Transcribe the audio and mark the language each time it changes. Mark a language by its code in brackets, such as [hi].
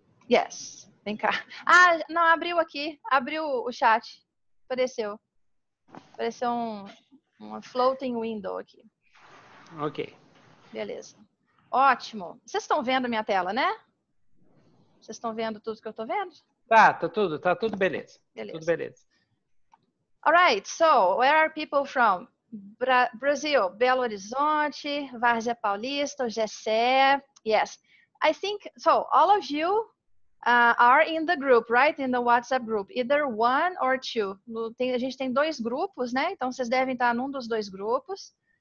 [pt] Yes, vem cá. Ah, não, abriu aqui. Abriu o chat. Apareceu. Apareceu uma floating window aqui. Ok. Beleza. Ótimo. Vocês estão vendo a minha tela, né? Vocês estão vendo tudo que eu estou vendo? Tá tudo beleza. Beleza. Tudo beleza. [en] All right, so where are people from? Brazil, Belo Horizonte, Várzea Paulista, Jessé. Yes. I think, so all of you are in the group, right? In the WhatsApp group. Either one or two. [pt] A gente tem dois grupos, né? Então vocês devem estar num dos dois grupos.